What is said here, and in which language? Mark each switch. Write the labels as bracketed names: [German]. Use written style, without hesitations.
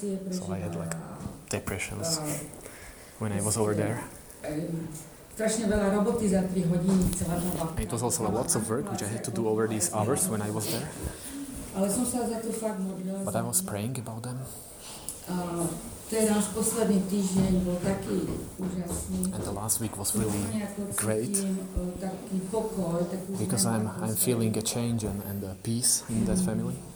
[English] So I had like depressions when I was over there. [Slovak] strašne veľa roboty za 3 hodiny celá doba. [English] It was also a lot of work which I had to do over these hours when I was there. [Slovak] Ale som sa za to fakt modlila. [English] But I was praying about them. [Slovak] Teraz posledný týždeň bol taký úžasný. [English] And the last week was really great. [Slovak] Taký pokoj, takú zmenu. [English] Because I'm feeling a change and a peace in that family.